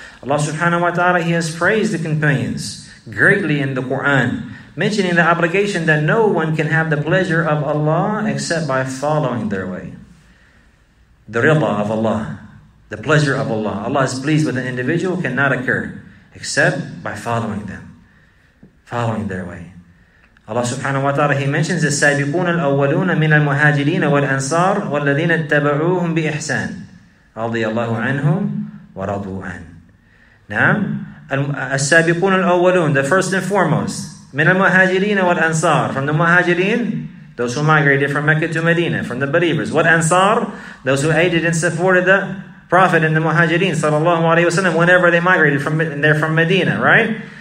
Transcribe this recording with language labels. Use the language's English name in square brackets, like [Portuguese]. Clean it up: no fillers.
[English] Allah subhanahu wa ta'ala, He has praised the companions greatly in the Quran, mentioning the obligation that no one can have the pleasure of Allah except by following their way. The rida of Allah, the pleasure of Allah. Allah is pleased with an individual cannot occur except by following them, following their way. Allah subhanahu wa ta'ala, He mentions [Arabic] السَّابِقُونَ الْأَوَّلُونَ مِنَ الْمُهَاجِرِينَ وَالْأَنصَارِ وَالَّذِينَ اتَّبَعُوهُمْ بِإِحْسَانِ رَضِيَ اللَّهُ عَنْهُمْ وَرَضُوا عَنْهُ. نعم, السَّابِقُونَ الْأَوَّلُونَ, [English] the first and foremost, [Arabic] مِنَ الْمُهَاجِرِينَ وَالْأَنصَارِ, [English] from the muhajirin, those who migrated from Mecca to Medina, from the believers, والأنصار, those who aided and supported the Prophet and the muhajirin sallallahu alayhi wa sallam whenever they migrated from, and they're from Medina, right?